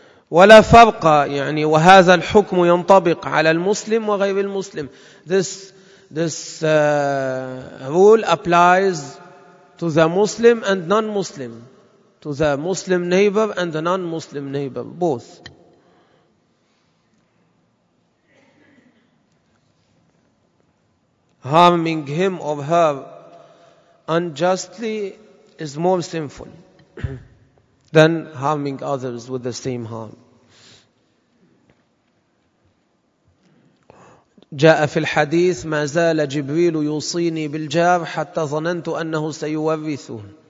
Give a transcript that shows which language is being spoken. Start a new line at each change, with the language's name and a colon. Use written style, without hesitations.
Arabic: ولا فرق يعني وهذا الحكم ينطبق على المسلم وغير المسلم.
English: This rule applies to the Muslim and non-Muslim, to the Muslim neighbor and the non-Muslim neighbor, both. Harming him or her unjustly is more sinful than harming others with the same harm.
Arabic: جاء في الحديث ما زال جبريل يوصيني بالجار حتى ظننت أنه سيورثه.